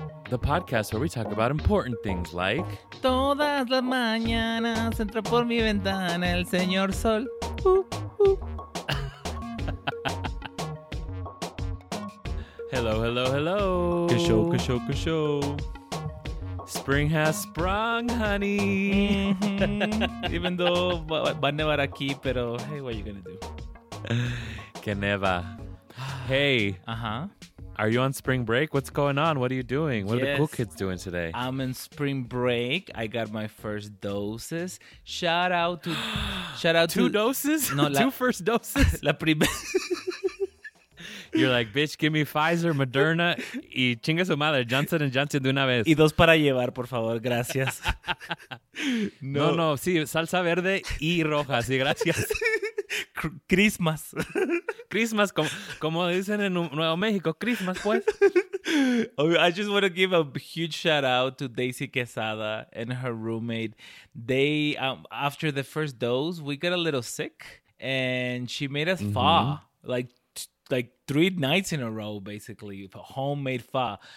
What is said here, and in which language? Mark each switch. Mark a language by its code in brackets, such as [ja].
[en] the podcast where we talk about important things like [es] todas las mañanas entra por mi ventana el señor sol. [en] Hello, hello, hello. Good show, good show, good show. Spring has sprung, honey. Mm-hmm. Even though [es] va a nevar aquí, pero [en] hey, what are you going to do? [es] Que neva. Hey. Uh-huh. [en] Are you on spring break? What's going on? What are you doing? What are the cool kids doing today? I'm in spring break. I got my first doses. Shout out to... Two doses? No, two first doses? [es] La primera... [en] You're like, bitch, give me Pfizer, Moderna, [es] y chinga su madre, [en] Johnson & Johnson de una vez. [es] Y dos para llevar, por favor, gracias. No, sí, salsa verde y roja, sí, gracias. [en] Christmas. [es] Christmas, como dicen en Nuevo México, Christmas, pues. [en] I just want to give a huge shout out to Daisy Quesada and her roommate. They, after the first dose, we got a little sick, and she made us fa, like 3 nights in a row, basically, homemade pho.